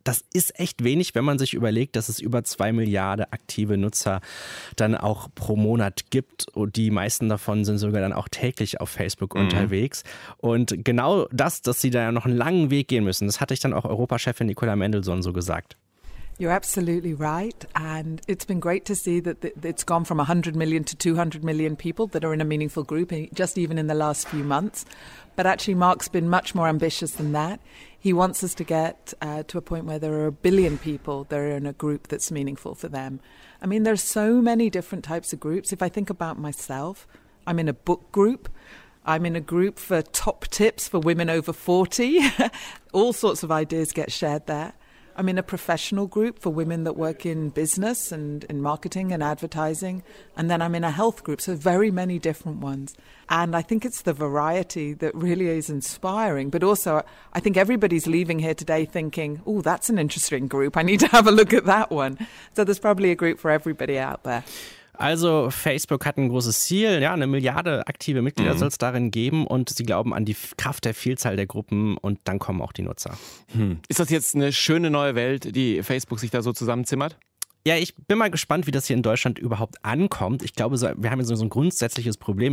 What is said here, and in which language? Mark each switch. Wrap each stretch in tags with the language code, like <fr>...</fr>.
<de>Das ist echt wenig, wenn man sich überlegt, dass es über 2 Milliarden aktive Nutzer dann auch pro Monat gibt und die meisten davon sind sogar dann auch täglich auf Facebook unterwegs. Und genau das, dass sie da ja noch einen langen Weg gehen müssen, das hatte ich dann auch Europachefin Nicola Mendelssohn so gesagt.</de> <en>You're absolutely right. And it's been great to see that it's gone from 100 million to 200 million people that are in a meaningful group, just even in the last few months. But actually, Mark's been much more ambitious than that. He wants us to get to a point where there are 1 billion people that are in a group that's meaningful for them. I mean, there's so many different types of groups. If I think about myself, I'm in a book group. I'm in a group for top tips for women over 40. All sorts of ideas get shared there. I'm in a professional group for women that work in business and in marketing and advertising. And then I'm in a health group, so very many different ones. And I think it's the variety that really is inspiring. But also, I think everybody's leaving here today thinking, oh, that's an interesting group. I need to have a look at that one. So there's probably a group for everybody out there.</en> <de>Also Facebook hat ein großes Ziel, ja, 1 Milliarde aktive Mitglieder soll es darin geben und sie glauben an die Kraft der Vielzahl der Gruppen und dann kommen auch die Nutzer. Ist das jetzt eine schöne neue Welt, die Facebook sich da so zusammenzimmert? Ja, ich bin mal gespannt, wie das hier in Deutschland überhaupt ankommt. Ich glaube, wir haben so ein grundsätzliches Problem.</de>